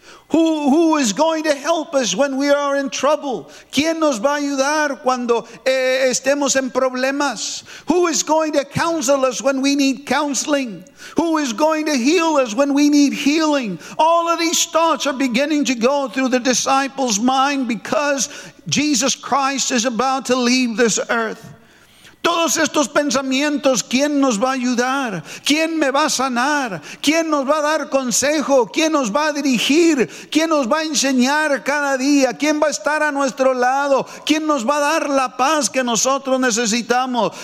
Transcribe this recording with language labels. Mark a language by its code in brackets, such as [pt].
[en] Who is going to help us when we are in trouble? [es] ¿Quién nos va a ayudar cuando estemos en problemas? [en] Who is going to counsel us when we need counseling? Who is going to heal us when we need healing? All of these thoughts are beginning to go through the disciples' mind because Jesus Christ is about to leave this earth. [es] Todos estos pensamientos, ¿quién nos va a ayudar? ¿Quién me va a sanar? ¿Quién nos va a dar consejo? ¿Quién nos va a dirigir? ¿Quién nos va a enseñar cada día? ¿Quién va a estar a nuestro lado? ¿Quién nos va a dar la paz que nosotros necesitamos?